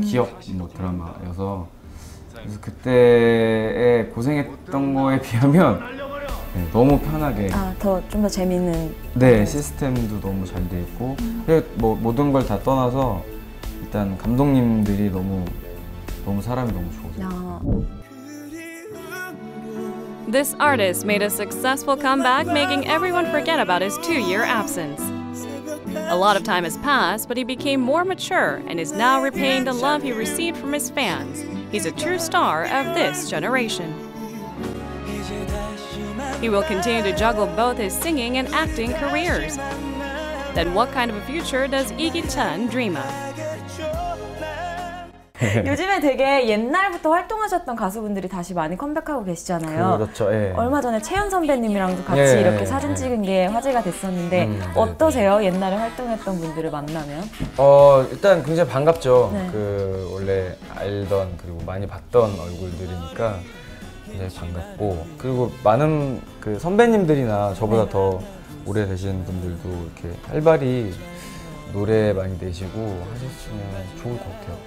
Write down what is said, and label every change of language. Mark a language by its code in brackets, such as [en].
[ko] 기억 뭐 드라마여서 그래서 그때에 고생했던 거에 비하면 네, 너무 편하게 아, 더 좀 더 재밌는 네, 시스템도 너무 잘 돼 있고 뭐 모든 걸 다 떠나서 일단 감독님들이 너무 사람이 너무 좋으세요. 아. [en] This artist made a successful comeback making everyone forget about his 2-year absence. A lot of time has passed, but he became more mature and is now repaying the love he received from his fans. He's a true star of this generation. He will continue to juggle both his singing and acting careers. Then what kind of a future does 이기찬 dream of? [ko] 요즘에 되게 옛날부터 활동하셨던 가수분들이 다시 많이 컴백하고 계시잖아요. 그렇죠. 예. 얼마 전에 채연 선배님이랑도 같이 예, 이렇게 예, 사진 예. 찍은 게 화제가 됐었는데 어떠세요? 네. 옛날에 활동했던 분들을 만나면? 일단 굉장히 반갑죠. 네. 그 원래 알던 그리고 많이 봤던 얼굴들이니까 굉장히 반갑고 그리고 많은 그 선배님들이나 저보다 네. 더 오래 되신 분들도 이렇게 활발히 노래 많이 내시고 하셨으면 좋을 것 같아요.